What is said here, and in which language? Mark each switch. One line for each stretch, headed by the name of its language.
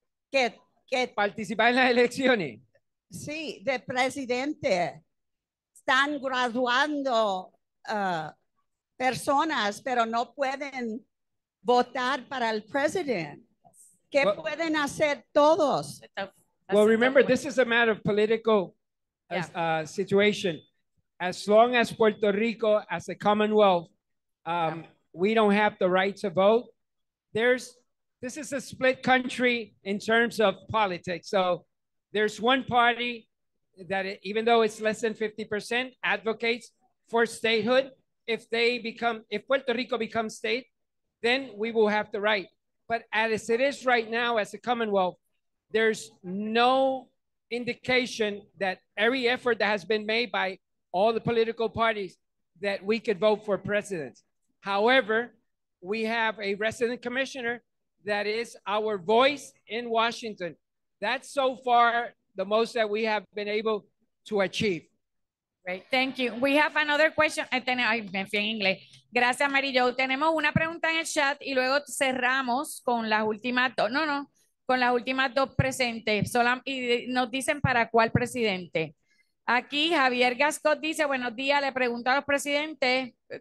Spanish: ¿Qué? Participar en las elecciones? Sí, de presidente. Están graduando personas, pero no pueden votar para el presidente. ¿Qué pueden hacer todos?
English: Well, remember, this is a matter of political situation. As long as Puerto Rico, as a commonwealth, we don't have the right to vote. This is a split country in terms of politics. So there's one party that, even though it's less than 50%, advocates for statehood. If Puerto Rico becomes state, then we will have the right. But as it is right now, as a commonwealth, there's no indication that every effort that has been made by all the political parties that we could vote for president. However, we have a resident commissioner that is our voice in Washington. That's so far the most that we have been able to achieve. Great, thank you. We have another question.
Spanish: Me fui en inglés. Gracias,
English: Mary Jo.
Spanish: Tenemos una pregunta en el chat y luego cerramos con las últimas dos. Con las últimas dos presentes. Y nos dicen para cuál presidente. Aquí Javier Gascot dice, buenos días, le pregunto a los presidentes,